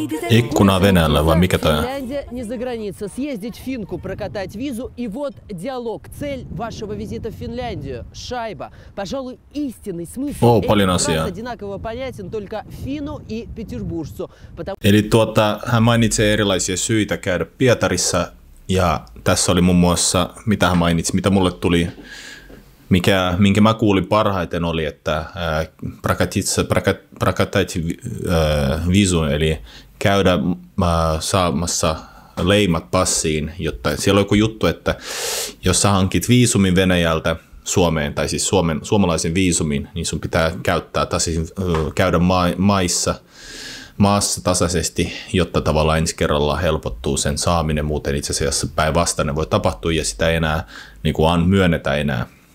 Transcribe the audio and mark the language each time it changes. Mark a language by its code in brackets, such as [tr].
[fi] Ikkuna Venäjällä vai mikä toi on? [ru] Не за границу, съездить финку, прокатать визу, и вот диалог, цель вашего визита в Финляндию, шайба. Пожалуй, истинный смысл одинаково понятен только фину и петербуржцу. [fi] Eli hän mainitsee erilaisia syitä käydä Pietarissa, ja tässä oli muun muassa, mitä hän mainitsi, mitä mulle tuli, minkä mä kuulin parhaiten oli, että [ru] prakatit visu, [fi] eli käydä saamassa leimat passiin, jotta siellä on joku juttu, että jos sä hankit viisumin Venäjältä Suomeen, tai siis suomalaisen viisumin, niin sun pitää käyttää käydä maassa tasaisesti, jotta tavallaan ensi kerralla helpottuu sen saaminen, muuten itse asiassa päinvastainen voi tapahtua, ja sitä ei enää niin kuin myönnetä enää.